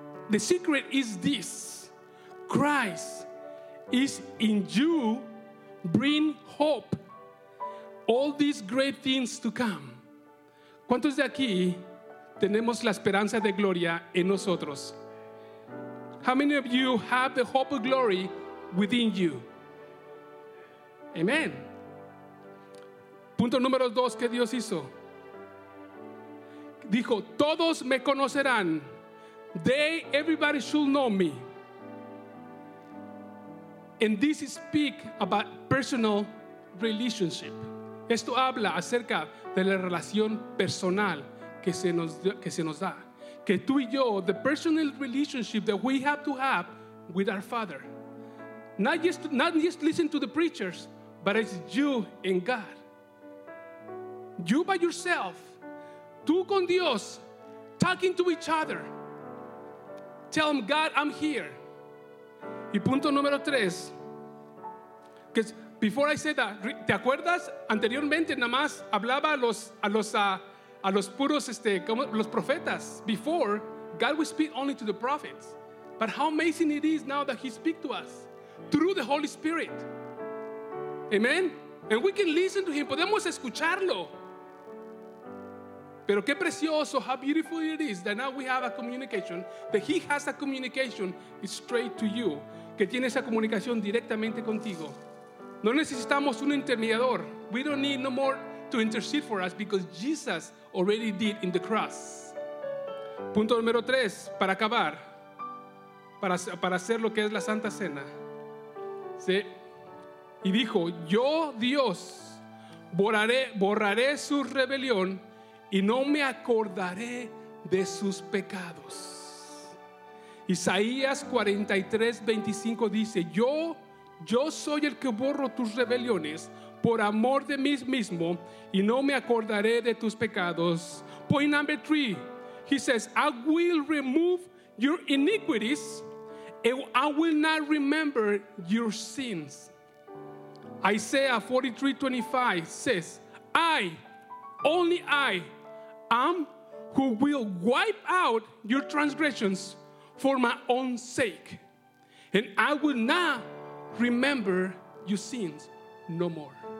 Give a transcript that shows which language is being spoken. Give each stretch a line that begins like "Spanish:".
English: The secret is this: Christ is in you, bring hope, all these great things to come.
Spanish: ¿Cuántos de aquí tenemos la esperanza de gloria en nosotros?
English: How many of you have the hope of glory within you?
Spanish: Amen. Punto número dos que Dios hizo. Dijo, todos me conocerán.
English: Everybody should know me. And this speaks about personal relationship.
Spanish: Esto habla acerca de la relación personal que se nos da. Que tú y yo,
English: the personal relationship that we have to have with our Father. Not just listen to the preachers, but it's you and God. You by yourself,
Spanish: tú con Dios,
English: talking to each other. Tell him, God, I'm here.
Spanish: Y punto número tres, que
English: before I say that,
Spanish: ¿te acuerdas? Anteriormente nada más hablaba a los puros como los profetas.
English: Before, God would speak only to the prophets. But how amazing it is now that he speaks to us through the Holy Spirit. Amen. And we can listen to him.
Spanish: Podemos escucharlo. Pero qué precioso,
English: how beautiful it is that now we have a communication, that he has a communication straight to you,
Spanish: que tiene esa comunicación directamente contigo. No necesitamos un intermediador.
English: We don't need no more to intercede for us because Jesus already did in the cross.
Spanish: Punto número tres, para acabar, para hacer lo que es la Santa Cena. ¿Sí? Y dijo, yo Dios borraré su rebelión y no me acordaré de sus pecados. Isaías 43:25 dice, yo soy el que borro tus rebeliones por amor de mí mismo y no me acordaré de tus pecados.
English: Point number three, he says, I will remove your iniquities and I will not remember your sins. Isaiah 43:25 says, I am who will wipe out your transgressions for my own sake, and I will not remember your sins no more.